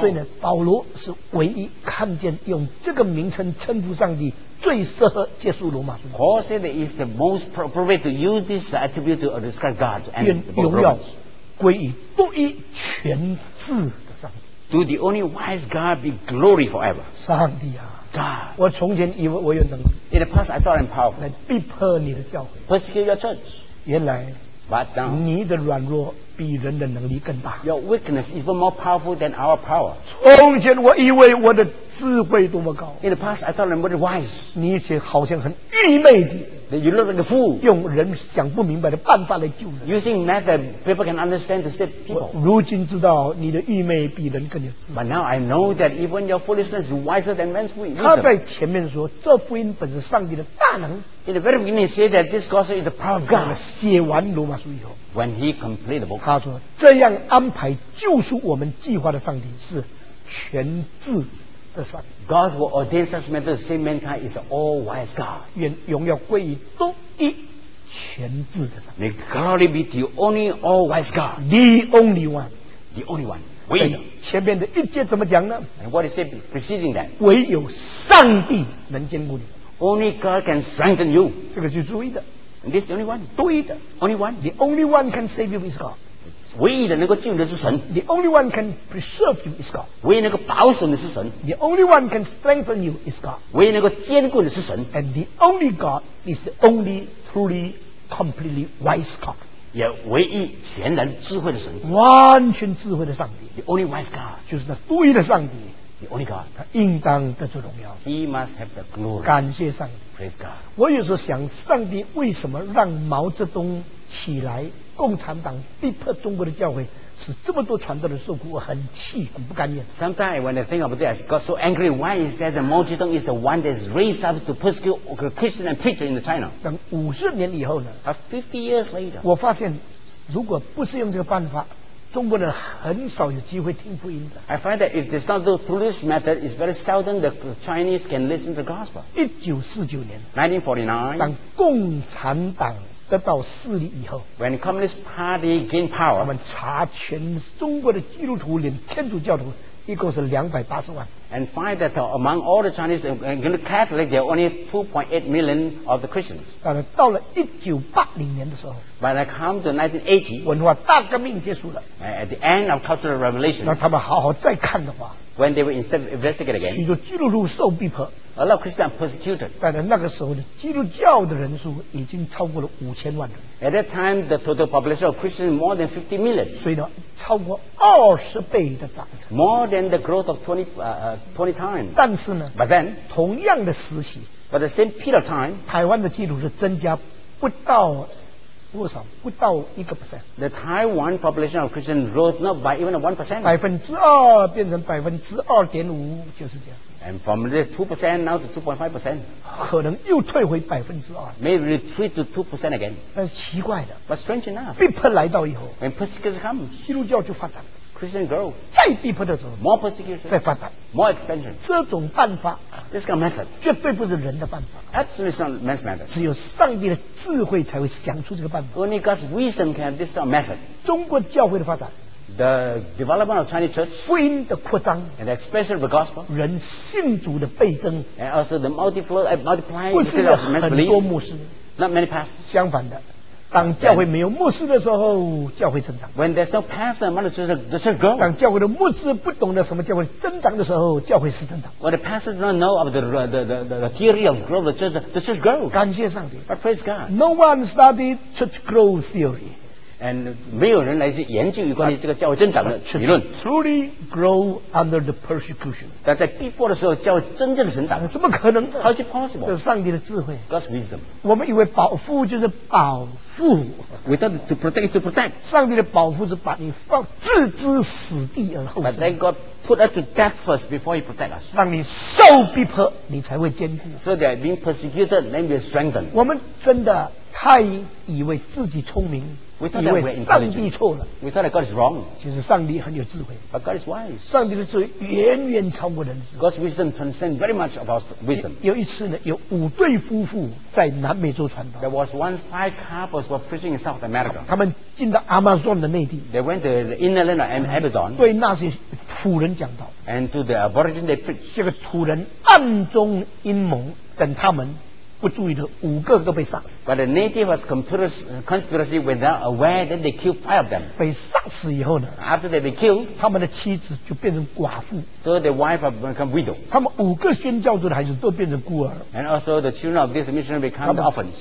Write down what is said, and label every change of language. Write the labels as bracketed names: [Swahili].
[Chinese] 所以呢，保罗是唯一看见用这个名称称呼上帝最适合接触罗马书。 [English] Paul said that is the most appropriate to use this attribute to describe God and [Chinese] Romans. 荣耀归于独一全智。 [English] To the only wise God be glory forever. [Chinese] 上帝啊 [English] God. [Chinese] 我从前以为我有能力。 [English] In the past, I thought I'm powerful. [Chinese] 来逼迫你的教会。 [English] Persecute your church. [Chinese] 原来 [English] But now, [Chinese] 你的软弱比人的能力更大。 [English] Your weakness is even more powerful than our power. [Chinese] 从前我以为我的智慧多么高。 [English] In the past, I thought I'm very wise. [Chinese] 你却好像很愚昧的。 [English] You look like a fool. [Chinese] 用人想不明白的办法来救人。 [English] Using method people can understand to save people. [Chinese] 如今知道你的愚昧比人更有智慧。 [English] But now I know that even your foolishness is wiser than man's wisdom. [Chinese] 他在前面说，这福音本是上帝的大能。 [English] In the very beginning, he said that this gospel is the power of God. [Chinese] 写完罗马书以后 [English] ，When he completed the book, [Chinese] 他说这样安排救赎我们计划的上帝是全智。 [English] God who ordains such matters to save mankind is an all-wise God. [Chinese] 愿荣耀归于独一全智的神。 [English] May glory be the only all-wise God. The only one. The only one. [Chinese] 唯一。前面的一节怎么讲呢 [English] ？And what is it preceding that? [Chinese] 唯有上帝能坚固你。 [English] Only God can strengthen you. [Chinese] 这个是独一的。 [English] And this is the only one. [Chinese] 独一的。 [English] Only one. The only one can save you is God. [Chinese] 唯一的能够救你的是神。 [English] The only one can preserve you is God. [Chinese] 唯一能够保守你的是神。 [English] The only one can strengthen you is God. [Chinese] 唯一能够坚固你的是神。 [English] And the only God is the only truly, completely wise God. [Chinese] 也唯一全然智慧的神。完全智慧的上帝。 [English] The only wise God. [Chinese] 就是那独一的上帝。 [English] The only God. [Chinese] 他应当得着荣耀。 [English] He must have the glory. [Chinese] 感谢上帝。 [English] Praise God. [Chinese] 我有时候想，上帝为什么让毛泽东起来？共产党逼迫中国的教会，使这么多传道人受苦，我很气，很不甘愿。 [English] Sometimes when I think about this, I got so angry. Why is that the Mao Zedong is the one that is raised up to persecute Christian and preacher in China? [Chinese] 等五十年以后呢 [English] ？50 years later, [Chinese] 我发现，如果不是用这个办法，中国人很少有机会听福音的。 [English] I find that if it's not through this method, it's very seldom the Chinese can listen to the gospel. [Chinese] 1949年 [English] ，1949， [Chinese] 当共产党。得到势力以后 [English] ，When Communist Party gain power， [Chinese] 他们查全中国的基督徒连天主教徒，一共是280万。 [English] And find that among all the Chinese and Catholic, there are only 2.8 million of the Christians. [Chinese] 但是到了1980年的时候 [English] ，When I come to 1980， [Chinese] 文化大革命结束了。 [English] At the end of Cultural Revolution， [Chinese] 那他们好好再看的话 [English] when they were instead investigated again, [Chinese] 许多基督徒受逼迫 [English] a lot of Christians persecuted. [Chinese] 但是那个时候的基督教的人数已经超过了五千万人。 [English] At that time, the total population of Christians is more than 50 million. [Chinese] 所以呢，超过二十倍的长成。 [English] More than the growth of 20 times. [Chinese] 但是呢 [English] ，But then, [Chinese] 同样的时期 [English] ，But the same period of time, [Chinese] 台湾的基督徒增加不到。多少？不到一个 percent。 [English] The Taiwan population of Christian rose not by even 1%。 [Chinese] 百分之二变成百分之二点五，就是这样。 [English] And from the 2% now to 2.5%。 [Chinese] 可能又退回百分之二。 [English] May retreat to 2% again。 [Chinese] 但是奇怪的。 [English] But strange enough。 [Chinese] 逼迫来到以后。 [English] When persecution comes。 [Chinese] 基督教就发展。 [English] Christian grow。 [Chinese] 再逼迫的时候。 [English] More persecution。 [Chinese] 再发展。 [English] More expansion。 [Chinese] 这种办法。 [English] This kind of method [Chinese] 绝对不是人的办法。 [English] Absolutely not man's method. [Chinese] 只有上帝的智慧才会想出这个办法。 [English] Only God's wisdom can have this kind of method. [Chinese] 中国教会的发展 [English] ，the development of Chinese church， [Chinese] 福音的扩张 [English] ，and the expansion of the gospel， [Chinese] 人信主的倍增 [English] ，and also the multiplying because of man's belief. [Chinese] 不是很多牧师 [English] ，not many pastors. [Chinese] 相反的，当教会没有牧师的时候，教会增长。 [English] When there's no pastor, among the church, the church grows. [Chinese] 当教会的牧师不懂得什么教会增长的时候，教会是增长。 [English] When the pastor does not know of the theory of growth, the church grows. [Chinese] 感谢上帝。 [English] But praise God. No one studied church growth theory, [Chinese] and 没有人来去研究有关于这个教会增长的理论。 [English] Truly grow under the persecution. [Chinese] 但在逼迫的时候，教会真正的成长，怎么可能 [English] ？How is it possible? [Chinese] 这是上帝的智慧。 [English] God's wisdom. [Chinese] 我们以为保护就是保。父 [English] without to protect is to protect. [Chinese] 上帝的保护是把你放置之死地而后生。 [English] But then God put us to death first before He protect us. [Chinese] 让你受逼迫，你才会坚固。 [English] So that being persecuted, then we are strengthened. [Chinese] 我们真的太以为自己聪明， [English] that [Chinese] 以为上帝错了。 [English] We thought that God is wrong. [Chinese] 其实上帝很有智慧。 [English] But God is wise. [Chinese] 上帝的智慧远远超过人智。 [English] God's wisdom transcends very much of our wisdom. [Chinese] 有一次呢，有五对夫妇在南美洲传道。 [English] There was one five couple were preaching in South America. [Chinese] 他们进到 Amazon 的内地。 [English] They went to the inland and Amazon. [Chinese] 对那些土人讲道。 [English] And to the aborigine they preach. [Chinese] 这个土人暗中阴谋等他们。不注意的五个都被杀死。 [English] But the native was conspiracy without aware that they killed five of them. [Chinese] 被杀死以后呢 [English] ？After they were killed, [Chinese] 他们的妻子就变成寡妇。 [English] So the wife have become widow. [Chinese] 他们五个宣教主的孩子都变成孤儿。 [English] And also the children of this mission become orphans.